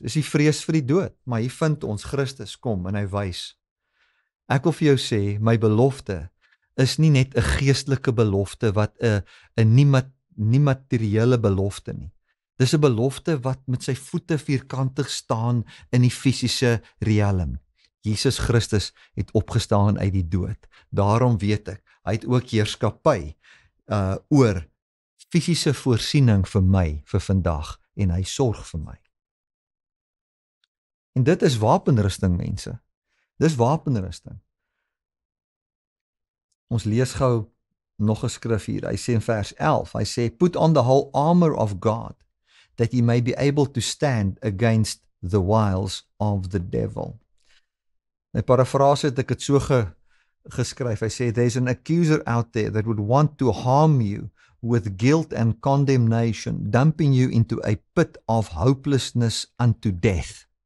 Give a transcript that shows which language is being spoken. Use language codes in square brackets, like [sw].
[af] Is die vrees vir die dood? Maar hier vind ons Christus kom en hy wys. Ek wil vir jou sê, my belofte is nie net 'n geestelike belofte wat 'n nie materiële belofte nie. Dis 'n belofte wat met sy voete vierkantig staan in die fisiese riekem. Jesus Christus het opgestaan uit die dood. Daarom weet ek, hy het ook heerskappy oor fisiese voorsiening vir my, vir vandag, en hy sorg vir my. En dit is wapenrusting, mense. Dis wapenrusting. Ons lees gou nog 'n skrif hier. Hy sê in vers 11, hy sê, [en] put on the whole armor of God, that ye may be able to stand against the wiles of the devil. [af] My parafrase het ek het so geskryf, hy sê, [en] there's an accuser out there that would want to harm you with guilt and condemnation, dumping you into a pit of hopelessness unto death.